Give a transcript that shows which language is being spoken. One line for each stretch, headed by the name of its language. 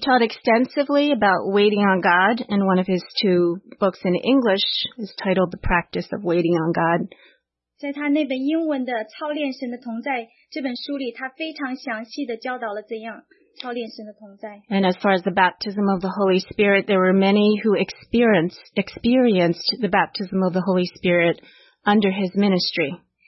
English: taught extensively about waiting on God, and one of his two books in English is titled The Practice of Waiting on God.
Chinese: 在他那本英文的操练神的同在这本书里，他非常详细地教导了怎样。
English: And as far as the baptism of the Holy Spirit, there were many who experienced the baptism of the Holy Spirit under his ministry.